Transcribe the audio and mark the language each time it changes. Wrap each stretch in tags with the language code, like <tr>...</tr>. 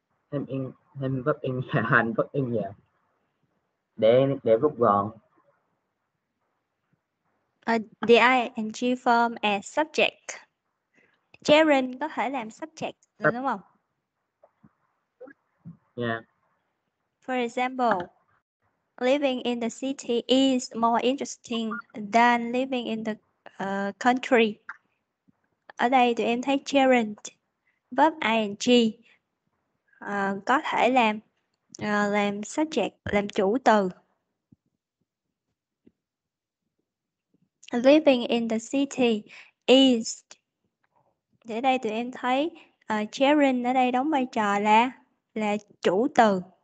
<vi>Thêm verb in hành verb in nhỉ? Để rút gọn.</vi> <en>The ing form as subject.</en> <vi>Gerund có thể làm subject được, đúng không?</vi> <en>Yeah. For example, living in the city is more interesting than living in the country.</en> <vi>Ở đây tụi em thấy gerund verb ing có thể làm subject, làm chủ từ.</vi> <en>Living in the city is.</en> <vi>Ở đây tụi em thấy gerund ở đây đóng vai trò là chủ từ.</vi>